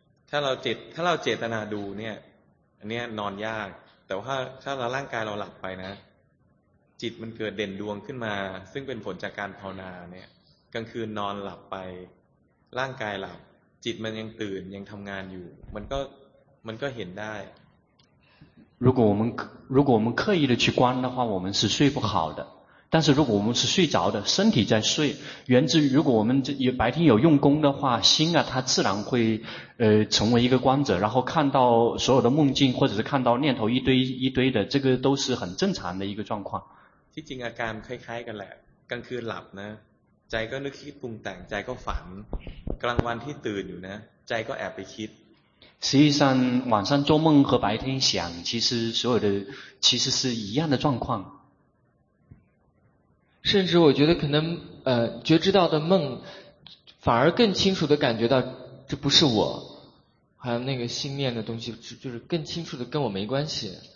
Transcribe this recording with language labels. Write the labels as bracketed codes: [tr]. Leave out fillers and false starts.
[th] ถ้าเราเจตนาดูเนี่ยอันเนี้ยนอนยากแต่ว่าถ้าเราร่างกายเราหลับไปนะจิตมันเกิดเด่นดวงขึ้นมาซึ่งเป็นผลจากการภาวนาเนี่ยกลางคืนนอนหลับไปร่างกายหลับจิตมันยังตื่นยังทำงานอยู่มันก็เห็นได้ [zh] 如果我们刻意的去观的话我们是睡不好的但是如果我们是睡着的身体在睡源自于如果我们白天有用功的话心啊它自然会成为一个观者然后看到所有的梦境或者是看到念头一堆一堆的这个都是很正常的一个状况 [th] ที่จริงอาการคล้ายๆกันแหละกลางคืนหลับนะใจก็นึกคิดปรุงแต่งใจก็ฝันกลางวันที่ตื่นอยู่นะใจก็แอบไปคิด [zh] 实际上晚上做梦和白天想其实所有的其实是一样的状况甚至我觉得可能觉知到的梦反而更清楚的感觉到这不是我还有那个心念的东西就是更清楚的跟我没关系